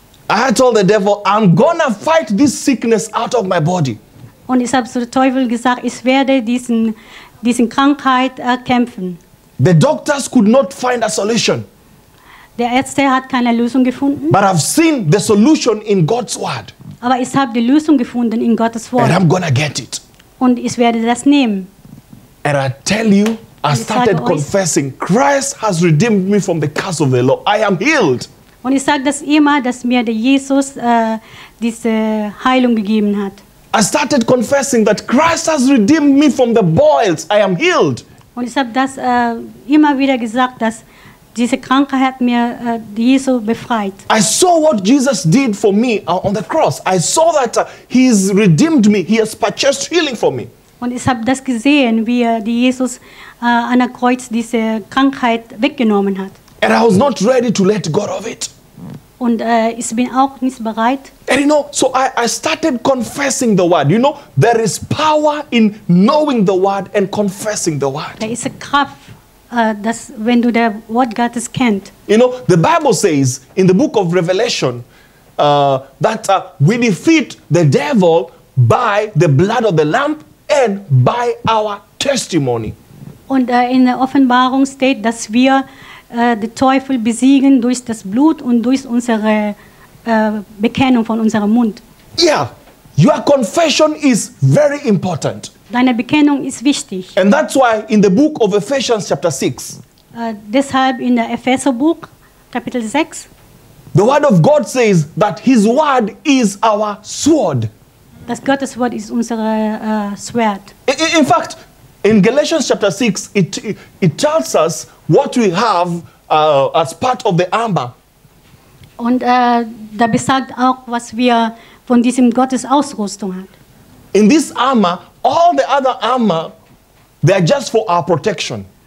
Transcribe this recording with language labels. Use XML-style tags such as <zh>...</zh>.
<en>I told the devil, I'm gonna fight this sickness out of my body.</en> <de>Und ich habe dem Teufel gesagt, ich werde diesen Krankheit kämpfen.</de> <en>The doctors could not find a solution.</en> <de>Der Ärzte hat keine Lösung gefunden.</de> <en>But I've seen the solution in God's word.</en> <de>Aber ich habe die Lösung gefunden in Gottes Wort.</de> <en>And I'm gonna get it.</en> <de>Und ich werde das nehmen.</de> <en>And I tell you, I started confessing, Christ has redeemed me from the curse of the law. I am healed.</en> <de>Und ich sage das immer, dass mir der Jesus diese Heilung gegeben hat.</de> <en>I started confessing that Christ has redeemed me from the boils. I am healed.</en> <de>Und ich habe das immer wieder gesagt, dass diese Krankheit hat mir Jesus befreit.</de> <en>I saw what Jesus did for me on the cross. I saw that he's redeemed me. He has purchased healing for me.</en> <de>Und ich habe das gesehen, wie Jesus an der Kreuz diese Krankheit weggenommen hat.</de> <en>And I was not ready to let go of it.</en> <de>Und ich bin auch nicht bereit.</de> <en>And you know, so I started confessing the word. You know, there is power in knowing the word and confessing the word. There is a</en> <de>Kraft, dass wenn du der Wort Gottes kennt.</de> <en>You know, the Bible says in the book of Revelation that we defeat the devil by the blood of the Lamb and by our testimony.</en> <de>Und in der Offenbarung steht, dass wir den Teufel besiegen durch das Blut und durch unsere Bekennung von unserem Mund.</de> <en>Yeah, your confession is very important.</en> <de>Deine Bekennung ist wichtig.</de> <en>And that's why in the book of Ephesians chapter 6.</en> <de>Deshalb in der Epheserbuch Kapitel 6.</de> <en>The word of God says that his word is our sword.</en> <de>Das Gottes Wort ist unsere Schwert.</de> <en>In fact, in Galatians chapter 6, it tells us what we have as part of the armor.</en> <de>Und da besagt auch, was wir von diesem Gottes Ausrüstung haben.</de> <en>In this armor, all the other armor, they are just for our protection.</en>